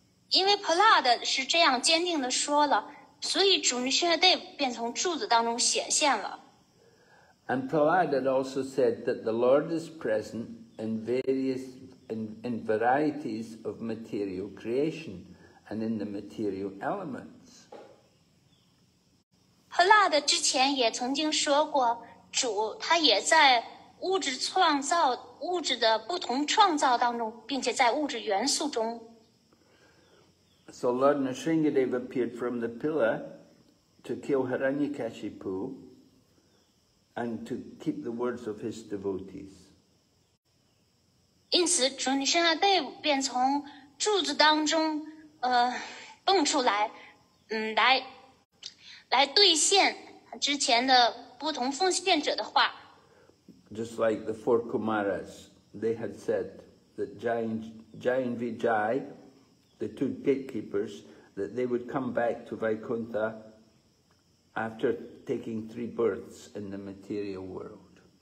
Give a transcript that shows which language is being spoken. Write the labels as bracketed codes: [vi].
[zh] 因为 Prahlad 是这样坚定地说了，所以主尼舍德便从柱子当中显现了。 [en] And Prahlad had also said that the Lord is present in varieties of material creation and in the material elements. [zh] Prahlad 之前也曾经说过，主他也在物质创造、物质的不同创造当中，并且在物质元素中。 [en] So Lord Nrisimhadeva appeared from the pillar to kill Hiranyakashipu and to keep the words of his devotees. [zh] 因此，主尼舍德便从柱子当中蹦出来，来兑现之前的不同奉献者的话。 [en] Just like the four Kumaras, they had said that Jai and Vijay, the two gatekeepers, that they would come back to Vaikuntha after taking three births in the material world.